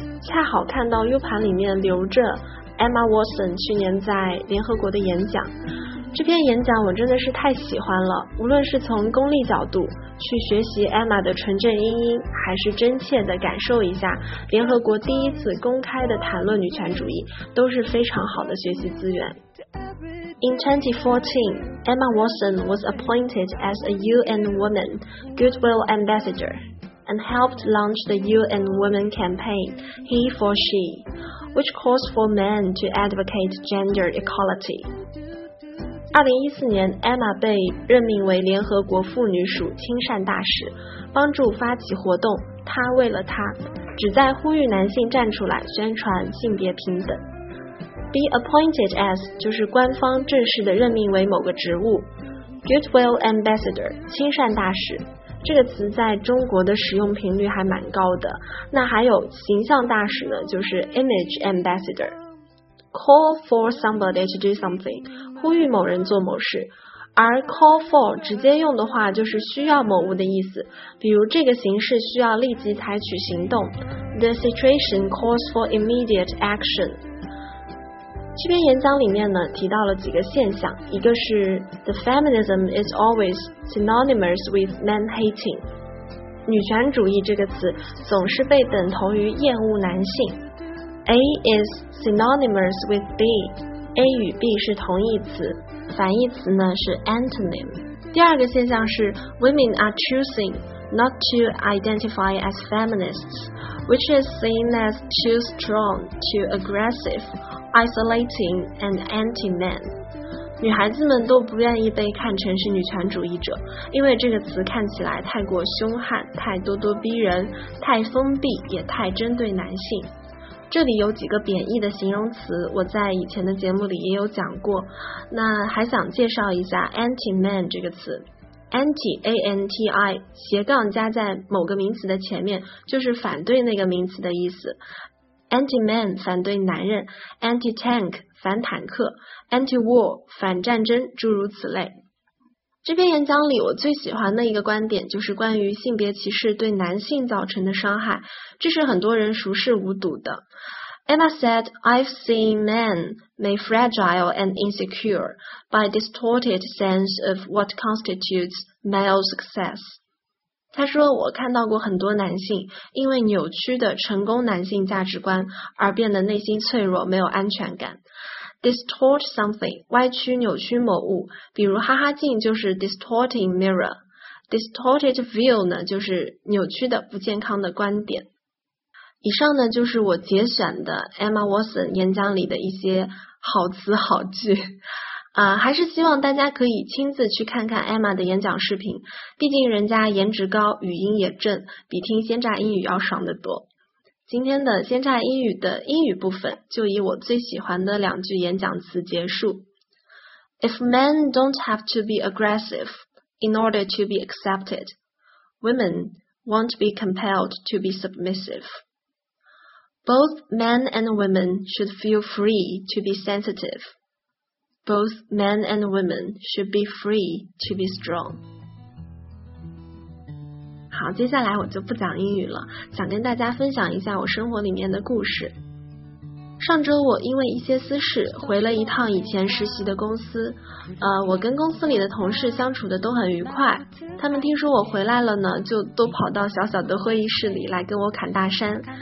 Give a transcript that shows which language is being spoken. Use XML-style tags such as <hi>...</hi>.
<zh>恰好看到 U 盘里面留着 Emma Watson 去年在联合国的演讲，这篇演讲我真的是太喜欢了，无论是从功利角度去学习 Emma 的纯正英音，还是真切的感受一下联合国第一次公开的谈论女权主义，都是非常好的学习资源。</zh> <en>In 2014, Emma Watson was appointed as a UN Women Goodwill Ambassador and helped launch the UN Women Campaign He for She, which calls for men to advocate gender equality.</en> <zh>2014年 ,Emma 被任命为联合国妇女署亲善大使，帮助发起活动她为了她，旨在呼吁男性站出来宣传性别平等。</zh> <en>Be appointed as</en> <zh>就是官方正式的任命为某个职务。 Goodwill Ambassador, 亲善大使，这个词在中国的使用频率还蛮高的。那还有形象大使呢，就是 Image Ambassador。</zh> <en>Call for somebody to do something,</en> <zh>呼吁某人做某事，而 call for 直接用的话就是需要某物的意思，比如这个形式需要立即采取行动，</zh> <en>The situation calls for immediate action。</en> <zh>这篇演讲里面呢提到了几个现象，一个是</zh> <en>The feminism is always synonymous with man-hating，</en> <zh>女权主义这个词总是被等同于厌恶男性。</zh> <en>A is synonymous with B,</en> <zh>A 与 B 是同义词，反义词呢是 antonym。第二个现象是</zh> <en>Women are choosing not to identify as feminists, which is seen as too strong, too aggressive, isolating and anti-men。</en> <zh>女孩子们都不愿意被看成是女权主义者，因为这个词看起来太过凶悍，太咄咄逼人，太封闭，也太针对男性。这里有几个贬义的形容词，我在以前的节目里也有讲过，那还想介绍一下 anti-man 这个词。 anti A-N-T-I 斜杠加在某个名词的前面，就是反对那个名词的意思。 anti-man 反对男人， anti-tank 反坦克， anti-war 反战争，诸如此类。这篇演讲里我最喜欢的一个观点就是关于性别歧视对男性造成的伤害，这是很多人熟视无睹的。</zh> <en>Emma said, I've seen men made fragile and insecure by distorted sense of what constitutes male success.</en> <zh>她说我看到过很多男性因为扭曲的成功男性价值观而变得内心脆弱，没有安全感。 Distort something, 歪曲扭曲某物，比如哈哈镜就是 distorting mirror, distorted view 呢就是扭曲的不健康的观点。以上呢就是我节选的 Emma Watson 演讲里的一些好词好句。还是希望大家可以亲自去看看 Emma 的演讲视频，毕竟人家颜值高，语音也正，比听鲜榨英语要爽得多。今天的鲜榨英语的英语部分就以我最喜欢的两句演讲词结束。</zh> <en>If men don't have to be aggressive in order to be accepted, women won't be compelled to be submissive. Both men and women should feel free to be sensitive. Both men and women should be free to be strong.</en> <zh>好，接下来我就不讲英语了，想跟大家分享一下我生活里面的故事。上周我因为一些私事回了一趟以前实习的公司，我跟公司里的同事相处的都很愉快，他们听说我回来了呢，就都跑到小小的会议室里来跟我侃大山。</zh>